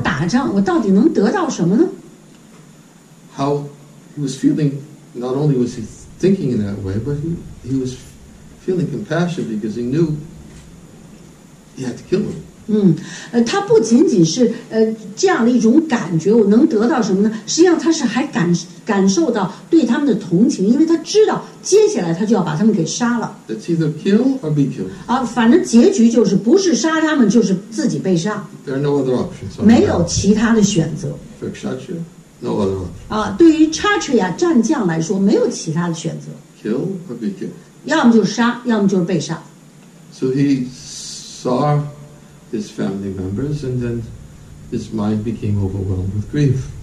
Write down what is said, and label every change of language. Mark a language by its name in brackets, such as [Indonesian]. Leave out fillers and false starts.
[Chinese] 就是这样的一种情况，我打仗，我到底能得到什么呢？ [English] How he was feeling, not only was he thinking in that way, but he was feeling compassion because he knew he had to kill him. [Chinese] 他不仅仅是这样的一种感觉，我能得到什么呢？实际上，他是还感受到对他们的同情，因为他知道接下来他就要把他们给杀了。 [English] It's either kill or be killed. [Chinese] 反正结局就是不是杀他们，就是自己被杀。 [English] There are no other options. [Chinese] 没有其他的选择。 [English] For Kshatriya, no other option. [Chinese] 对于Kshatriya战将来说，没有其他的选择。 [English] Kill or be killed. [Chinese] 要么就是杀，要么就是被杀。 [English] So he saw his family members, and then his mind became overwhelmed with grief.